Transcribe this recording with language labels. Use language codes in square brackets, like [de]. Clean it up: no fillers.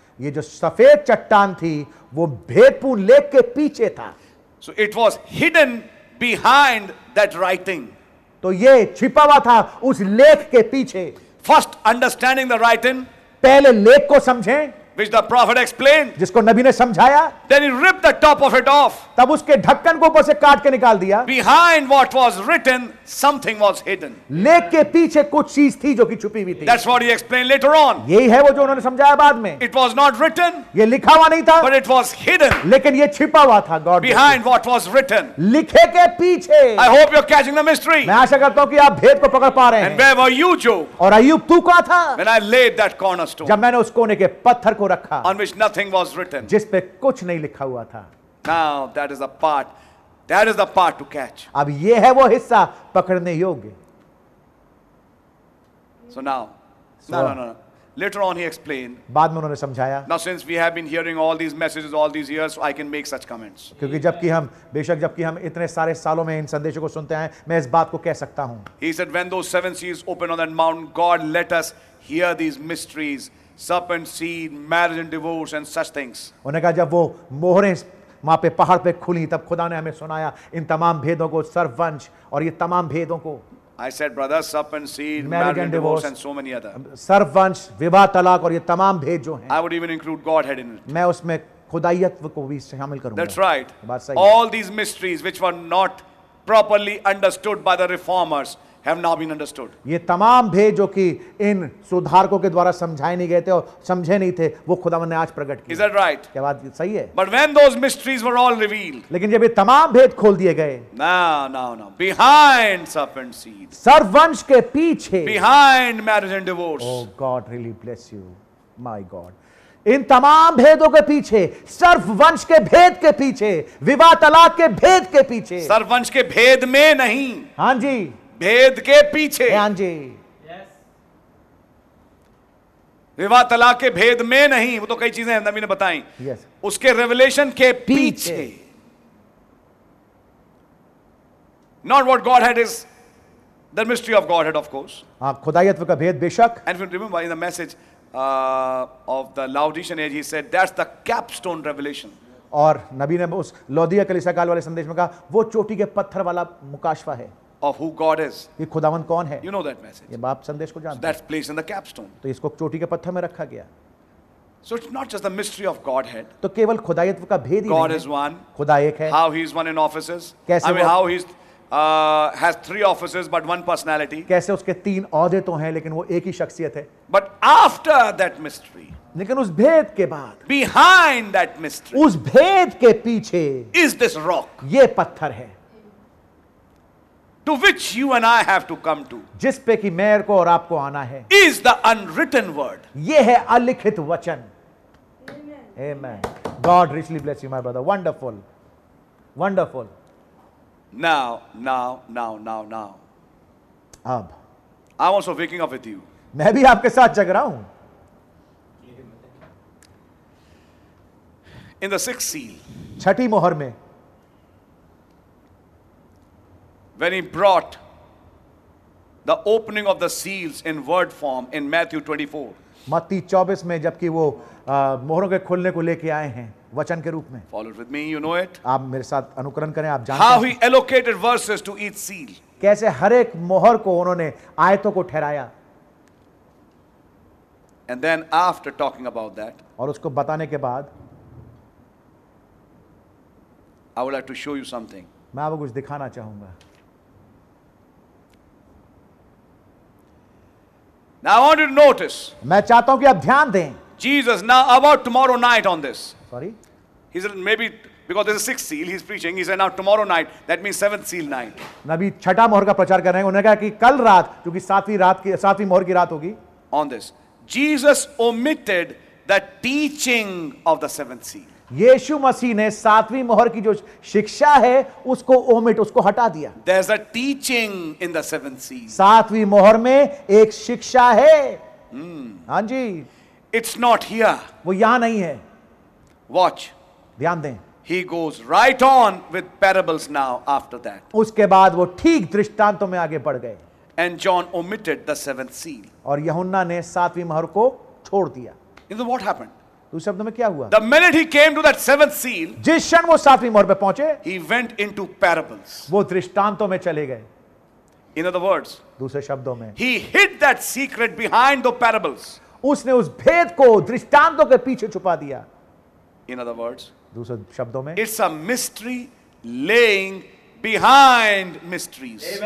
[hi] ये जो सफेद चट्टान थी वो भेदपूर्ण लेख के पीछे था. [en] So it was hidden behind that writing. [hi] तो ये छिपा हुआ था उस लेख के पीछे. [en] First understanding the writing. [hi] पहले लेख को समझें. [en] Which the prophet explained. [hi] जिसको नबी ने समझाया. [en] Then he ripped the top of it off. [hi] तब उसके ढक्कन को ऊपर से काट के निकाल दिया. [en] Behind what was written, something was hidden. [hi] लेख के पीछे कुछ चीज थी जो कि छुपी हुई थी. [en] That's what he explained later on. [hi] यही है वो जो उन्होंने समझाया बाद में. [en] It was not written. [hi] ये लिखा हुआ नहीं था. [en] But it was hidden. [hi] लेकिन ये छिपा हुआ था. God. [en] Behind what was written. [hi] लिखे के पीछे. [en] I hope you're catching the mystery. [hi] मैं आशा करता हूँ कि आप भेद को पकड़ पा रहे हैं. [en] And where were you, Joe? [hi] और अय्यूब तू कहाँ था? [en] When I laid that cornerstone. [hi] जब मैंने उस कोने के पत्थर को रखा. [en] On which nothing was written. [hi] जिस पे कुछ नहीं लिखा हुआ था. [en] Now that is the part to catch. [hi] अब ये है वो हिस्सा पकड़ने योग्य. [en] So now, no. Later on he explained. [hi] बाद में उन्होंने समझाया. [en] Now since we have been hearing all these messages all these years, so I can make such comments. [hi] क्योंकि जबकि हम बेशक जबकि हम इतने सारे सालों में इन संदेशों को सुनते हैं, मैं इस बात को कह सकता हूँ. [en] He said, when those seven seas open on that mountain, God let us hear these mysteries, serpent seed, marriage and divorce and such things. [hi] उन्होंने कहा जब वो मोहरें वहां पे पहाड़ पे खुली तब खुदा ने हमें सुनाया इन तमाम भेदों को सर्वंश और ये तमाम भेदों को. [en] I said, brothers, serpent seed, marriage and divorce and so many other. [hi] सर्वंश विवाह तलाक और ये तमाम भेद जो हैं. [en] I would even include Godhead in it. [hi] मैं उसमें खुदायत्व को भी शामिल करूंगा. [en] That's right. All these mysteries which were not properly understood by the reformers have now been understood. [hi] ये तमाम भेद जो कि इन सुधारकों के द्वारा समझाए नहीं गए थे और समझे नहीं थे वो खुदावन ने आज प्रकट किए. [en] Is that right? [hi] क्या बात सही है? [en] But when those mysteries were all revealed. [hi] लेकिन जब ये तमाम भेद खोल दिए गए. [en] No. Behind serpent seed. [hi] सर्वंश के पीछे. [en] Behind marriage and divorce. Oh God, really bless you, my God. [hi] इन तमाम भेदों के पीछे सर्वंश के भेद के पीछे विवाह तलाक के भेद के पीछे. सर्वंश के भेद में नहीं. हाँ जी. भेद के पीछे. हाँ जी. विवाह तलाक के भेद में नहीं. वो तो कई चीजें हैं नबी ने बताई. [en] yes. [hi] उसके रेवलेशन के पीछे. [en] Not what Godhead is the mystery of Godhead of course. [hi] हाँ खुदायत्व का भेद बेशक. [en] And if you remember in the message of the Laodicean age he said that's the capstone revelation. [hi] और नबी ने उस लौदिया कलीसिया काल वाले संदेश में कहा वो चोटी के पत्थर वाला मुकाशवा है. [en] Of who God is. [hi] ये खुदावन कौन है? [en] You know that message. [hi] ये बाप संदेश को जानते हैं. [en] That's placed in the capstone. [hi] तो इसको चोटी के पत्थर में रखा गया. [en] So it's not just the mystery of Godhead. [hi] तो केवल खुदायत्व का भेद ही [en] God is one. [hi] खुदा एक है. [en] How he is one in offices. [hi] कैसे [en] I mean, how he has three offices but one personality. [hi] कैसे उसके तीन औहदे तो हैं लेकिन वो एक ही शख्सियत है. [en] But after that mystery. [hi] लेकिन उस भेद के बाद. [en] Behind that mystery. [hi] उस भेद के पीछे. [en] Is this rock. [hi] ये पत्थर है. [en] To which you and I have to come to. [hi] जिस पे कि मैं को और आपको आना है. [en] Is the unwritten word. [hi] ये है अलिखित वचन. Amen. [en] God richly bless you, my brother. Wonderful. Wonderful. Now. [hi] अब. [en] I'm also waking up with you. [hi] मैं भी आपके साथ जग रहा हूं. [en] In the sixth seal. [hi] छठी मोहर में. [en] When he brought the opening of the seals in word form in Matthew 24. [hi] मत्ती 24 में जबकि वो मोहरों के खुलने को लेके आए हैं वचन के रूप में. [en] Follow with me, you know it. [hi] आप मेरे साथ अनुकरण करें आप जानते हैं. [en] How he allocated verses to each seal. [hi] कैसे हर एक मोहर को उन्होंने आयतों को ठहराया. [en] And then after talking about that. [hi] और उसको बताने के बाद. [en] I would like to show you something. [hi] मैं आपको कुछ दिखाना चाहूंगा. [en] Now I want you to notice. [hi] मैं चाहता हूं कि आप ध्यान दें. [en] Jesus now about tomorrow night on this. Sorry. He said maybe because there's a sixth seal he's preaching. He said now tomorrow night that means seventh seal night. [hi] नबी छठा मोहर का प्रचार कर रहे हैं. उन्होंने कहा कि कल रात क्योंकि सातवीं मोहर की रात होगी. [en] On this, Jesus omitted the teaching of the seventh seal. [hi] यीशु मसीह ने सातवीं मोहर की जो शिक्षा है उसको ओमिट उसको हटा दिया. [en] There's a teaching in the seven seals. [hi] सातवीं मोहर में एक शिक्षा है. हाँ जी. [en] It's not here. [hi] वो यहां नहीं है. [en] Watch. [hi] ध्यान दें. [en] He goes right on with parables now after that. [hi] उसके बाद वो ठीक दृष्टांतों में आगे बढ़ गए. [en] And John omitted the seventh seal. [hi] और यहुन्ना ने सातवीं मोहर को छोड़ दिया. [en] You know what happened? [hi] उस शब्द में क्या हुआ? [en] The minute he came to that seventh seal, [hi] जिस क्षण वो सातवीं मोहर पे पहुंचे, [en] he went into parables. [hi] वो दृष्टांतों में चले गए. [en] In other words, [hi] दूसरे शब्दों में, [en] he hid that secret behind the parables. [hi] उसने उस भेद को दृष्टांतों के पीछे छुपा दिया. [en] In other words, [hi] दूसरे शब्दों में, [en] it's a mystery laying behind mysteries.